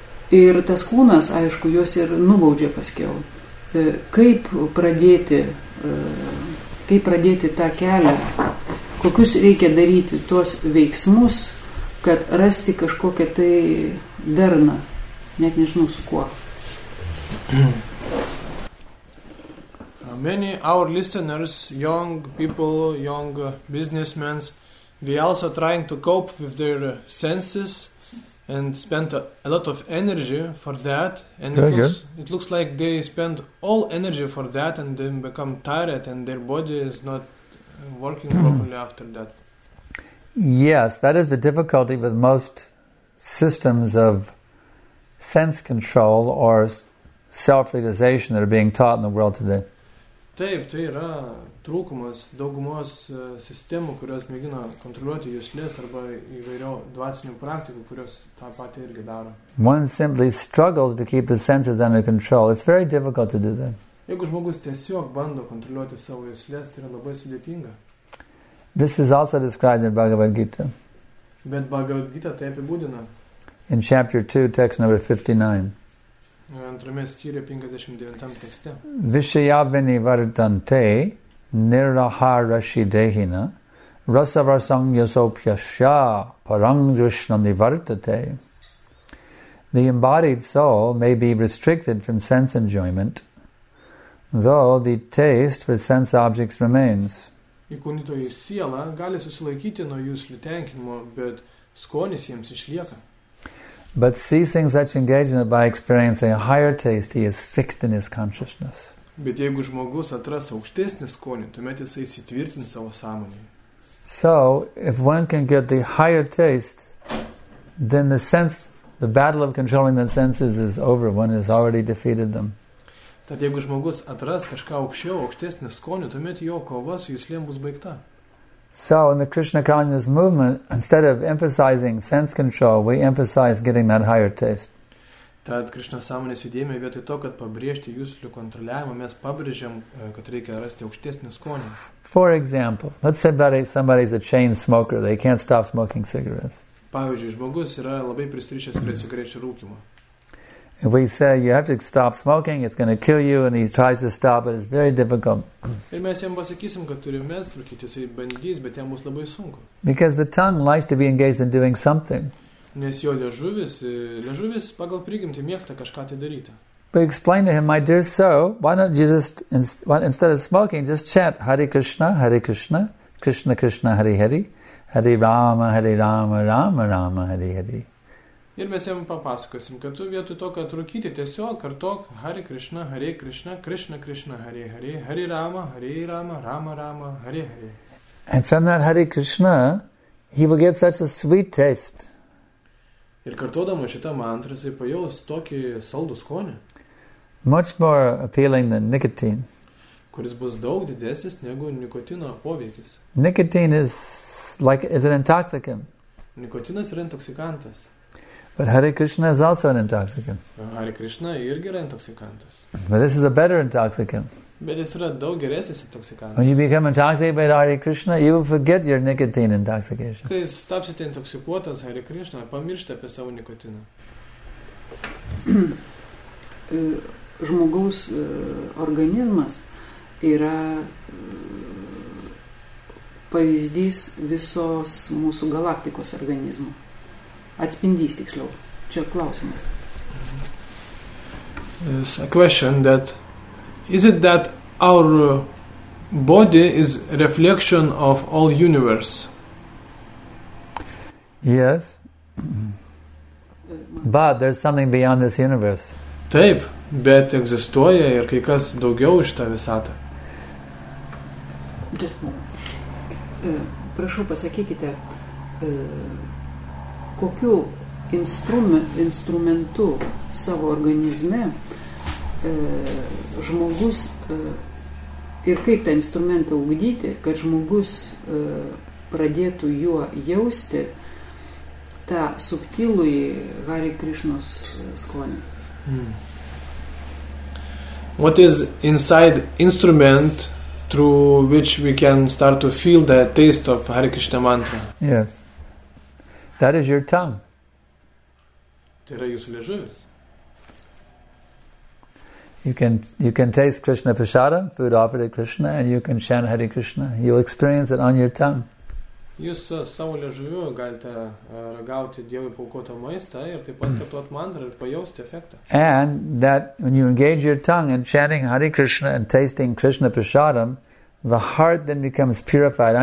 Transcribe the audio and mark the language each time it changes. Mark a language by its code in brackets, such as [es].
[lt] Ir tas kūnas, aišku, juos ir nubaudžia paskiau. Kaip pradėti tą kelią? Kokius reikia daryti tuos veiksmus, kad rasti kažkokią tai darną? Net nežinau su kuo. [en] Many our listeners, young people, young businessmen, they also trying to cope with their senses and spend a lot of energy for that. And it looks like they spend all energy for that and then become tired and their body is not working properly after that. Yes, that is the difficulty with most systems of sense control or self-realization that are being taught in the world today. [lt] Taip, tai yra trūkumas daugumos sistemų, kurios mėgina kontroliuoti juslės arba įvairių dvasinių praktikų, kurios tą patį irgi daro. [en] One simply struggles to keep the senses under control. It's very difficult to do that. [lt] Jeigu žmogus tiesiog bando kontroliuoti savo juslės, tai yra labai sudėtinga. [en] This is also described in Bhagavad Gita. [lt] Bet Bhagavad Gita tai apibūdina. [en] In chapter 2, text number 59. [lt] Antrame skyriuje 59 tekste. [sa] Vishayavini vartante nirahara shidehina rasavarsangya sopyasya parangrishna nivartate. [en] The embodied soul may be restricted from sense enjoyment, though the taste for sense objects remains. [lt] Įkūnytoji siela gali susilaikyti nuo juslių tenkinimo, bet skonis jiems išlieka. [en] But ceasing such engagement by experiencing a higher taste, he is fixed in his consciousness. [lt] Bet jeigu žmogus atras aukštesnį skonį, tuomet jisai įsitvirtins savo sąmonėje. [en] So, if one can get the higher taste, then the sense the battle of controlling the senses is over, one has already defeated them. [lt] Tad jeigu žmogus atras kažką aukščiau, aukštesnį skonį, tuomet jo kova su jūslėm bus baigta. [en] So in the Krishna consciousness movement, instead of emphasizing sense control, we emphasize getting that higher taste. [lt] Tad Krishna sąmonės judėjime vietoj to, kad pabrėžti jūslių kontroliavimą, mes pabrėžiam, kad reikia rasti aukštesnį skonį. [en] For example, let's say that somebody's a chain smoker, they can't stop smoking cigarettes. [lt] Pavyzdžiui, žmogus yra labai prisirišęs prie cigarečių rūkymo. [en] If we say you have to stop smoking, it's going to kill you, and he tries to stop, but it's very difficult. [lt] Ir mes jam pasakysim, kad turi mest rūkyti, jisai bandys, bet jam bus labai sunku. [en] Because the tongue likes to be engaged in doing something. [lt] Nes jo liežuvis pagal prigimtį mėgsta kažką tai daryti. [en] But explain to him, my dear sir, why don't you just, instead of smoking, just chant Hare Krishna, Krishna Krishna Hare Hare, Hare Rama, Rama Rama Hare Hare. [lt] Ir mes jiems papasakosim, kad tu vietoj to, kad rūkyti, tiesiog kartok Hare Krishna, Hare Krishna, Krishna Krishna, Hare Hare, Hare Rama, Hare Rama, Rama Rama, Hare Hare. [en] And from that Hare Krishna, he will get such a sweet taste. [lt] Ir kartodama šitą mantrą, jis pajaus tokį saldų skonį. [en] Much more appealing than nicotine. [lt] Kuris bus daug didesnis negu nikotino poveikis. [en] Nicotine is an intoxicant. [lt] Nikotinas yra intoksikantas. [en] But Hare Krishna is also an intoxicant. [lt] Hare Krishna irgi yra intoksikantas. [en] But this is a better intoxicant. [lt] Bet jis yra daug geresnis intoksikantas. [en] When you become intoxicated by Hare Krishna, you will forget your nicotine intoxication. [lt] Kai jis tapsite intoksikuotas Hare Krishna, pamiršite apie savo nikotiną. Žmogaus organizmas yra pavyzdys visos mūsų galaktikos organizmo. Atspindys tiksliau. Čia klausimas. [en] It's a question that is it that our body is reflection of all universe? Yes. But there's something beyond this universe. [lt] Taip, bet egzistuoja ir kai kas daugiau iš tą visatą. [en] Just a moment. [lt] Prašau, pasakykite, kokiu instrumentu savo organizme žmogus ir kaip tą instrumentą ugdyti, kad žmogus pradėtų juo jausti tą subtilų į Hare Krishnos skonį. [en] What is inside instrument through which we can start to feel the taste of Hare Krishna mantra? Yes. That is your tongue. [lt] Tai yra jūsų liežuvis. [en] You can taste Krishna prasada, food offered to Krishna, and you can chant Hare Krishna. You'll experience it on your tongue. [lt] Jūs savo liežuviu galite ragauti Dievui paukoto maistą ir taip pat kartuot mantrą ir pajausti efektą. [en] And that when you engage your tongue in chanting Hare Krishna and tasting Krishna prasadam, the heart then becomes purified.